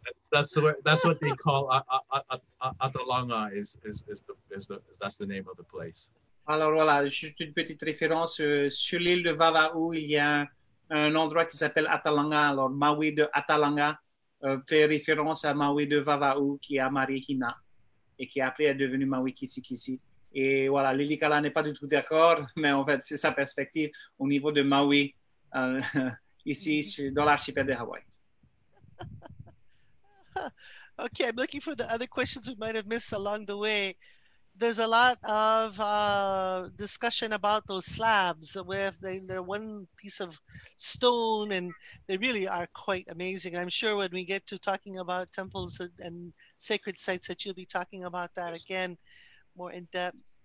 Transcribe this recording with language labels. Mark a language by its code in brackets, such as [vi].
[en] That's what they call Atalanga is the name of the place. [fr] Alors voilà, juste une petite référence sur l'île de Vava'u, il y a un endroit qui s'appelle Atalanga. Alors Maui de Atalanga fait référence à Maui de Vava'u qui a marié Hina et qui après est devenu Maui Kisikisi. Et voilà, Lilikalā n'est pas du tout d'accord, mais en fait, c'est sa perspective au niveau de Maui, ici, dans l'archipel de Hawaï. [en] Okay, I'm looking for the other questions we might have missed along the way. There's a lot of discussion about those slabs, where they're one piece of stone, and they really are quite amazing. I'm sure when we get to talking about temples and sacred sites that you'll be talking about that again. More in depth.